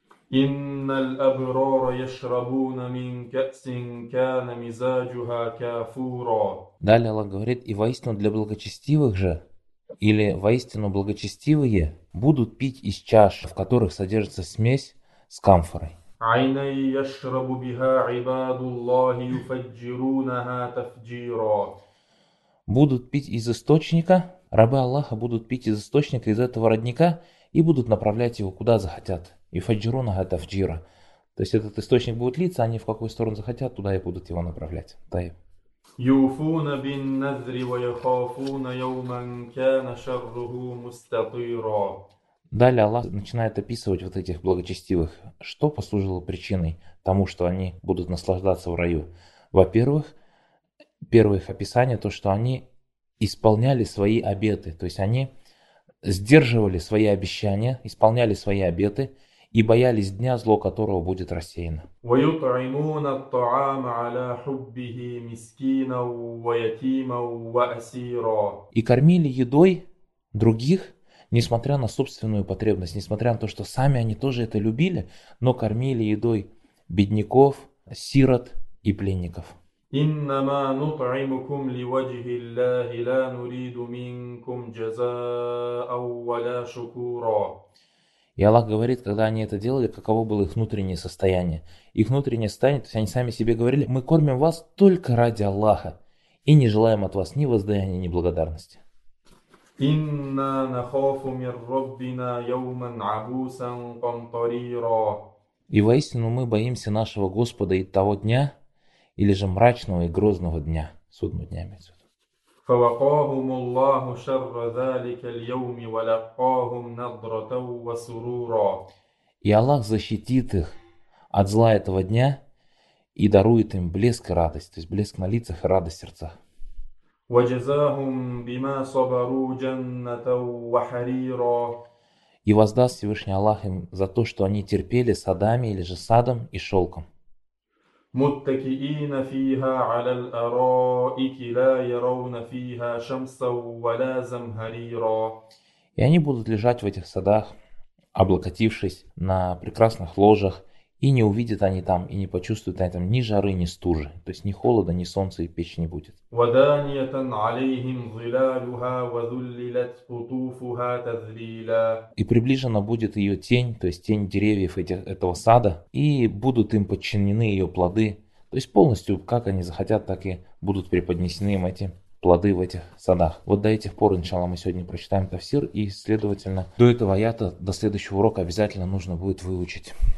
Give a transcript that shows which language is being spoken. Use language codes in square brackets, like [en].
[ar] Инна л-абрара яшрабуна мин ка'син кана мизаджуха кафура. [ru] Далее Аллах говорит, и воистину для благочестивых же, или воистину благочестивые, будут пить из чаш, в которых содержится смесь سكامفري. [ar] عينا يشرب بها عباد الله يفجرونها تفجيرا. [ru] Будут пить из источника, рабы Аллаха будут пить из источника, из этого родника, и будут направлять его куда захотят. И фаджируна это фаджира. То есть этот источник будет литься, они в какую сторону захотят, туда и будут его направлять. Таиб. [ar] يوفون بالنذر ويخافون يوما كان شره مستطيرا. [ru] Далее Аллах начинает описывать вот этих благочестивых, что послужило причиной тому, что они будут наслаждаться в раю. Во-первых, первое их описание, то, что они исполняли свои обеты, то есть они сдерживали свои обещания, исполняли свои обеты и боялись дня, зло которого будет рассеяно. [ar] ويطعمون الطعام على حبه مسكينا ويتيما وأسيرا. [ru] И кормили едой других, несмотря на собственную потребность, несмотря на то, что сами они тоже это любили, но кормили едой бедняков, сирот и пленников. [ar] إنما نطعمكم لوجه الله لا نريد منكم جزاء ولا شكورا. [ru] И Аллах говорит, когда они это делали, каково было их внутреннее состояние. Их внутреннее состояние, то есть они сами себе говорили, мы кормим вас только ради Аллаха и не желаем от вас ни воздаяния, ни благодарности. [ar] Инна нахафу мин Раббина йауман абусан камтарира. [ru] И воистину мы боимся нашего Господа и того дня, или же мрачного и грозного дня, судного дня, имеется в виду. [ar] فَوَقَاهُمُ اللَّهُ شَرَّ ذَلِكَ الْيَوْمِ وَلَقَّاهُمْ نَضْرَةً وَسُرُورًا. [ru] И Аллах защитит их от зла этого дня и дарует им блеск и радость, то есть блеск на лицах и радость в сердцах. [ar] وَجَزَاهُمْ بِمَا صَبَرُوا جَنَّةً وَحَرِيرًا. [ru] И воздаст Всевышний Аллах им за то, что они терпели садами или же садом и шелком. [ar] متكئين فيها على الأرائك لا يرون فيها شمسا ولا زمهريرا. [ru] И они будут лежать в этих садах, облокотившись на прекрасных ложах, и не увидят они там, и не почувствуют на этом ни жары, ни стужи, то есть ни холода, ни солнца и печи не будет. [ar] ودانية عليهم ظلالها وذللت قطوفها تذليلا. [ru] И приближена будет ее тень, то есть тень деревьев этого сада, и будут им подчинены ее плоды, то есть полностью, как они захотят, так и будут преподнесены им эти плоды в этих садах. Вот до этих пор, иншаллах, мы сегодня прочитаем тафсир, и, следовательно, до этого аята, до следующего урока обязательно нужно будет выучить.